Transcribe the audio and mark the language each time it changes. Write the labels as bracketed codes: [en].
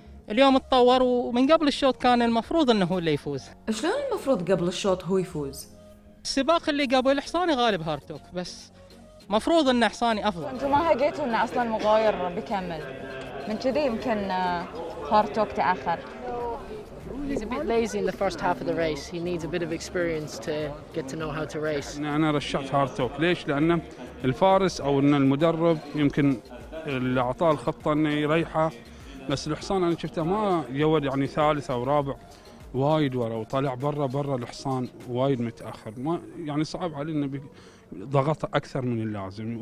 [ar] اليوم اتطور، ومن قبل الشوط كان المفروض انه هو اللي يفوز. شلون المفروض قبل الشوط هو يفوز؟ السباق اللي قبل حصاني غالب هارتوك، بس مفروض ان حصاني افضل. انتوا ما هقيتوا ان اصلا مغاير بيكمل من كذي، يمكن هارتوك تاخر. [en] He's a bit lazy in the first half of the race. He needs a bit of experience to get to know how to race. [ar] انا رشحت هارتوك ليش؟ لان الفارس او ان المدرب يمكن اللي اعطاه الخطه انه يريحه، بس الحصان انا شفته ما يود يعني ثالث او رابع، وايد ورا وطالع برا الحصان وايد متاخر، ما يعني صعب علينا انه ضغط اكثر من اللازم.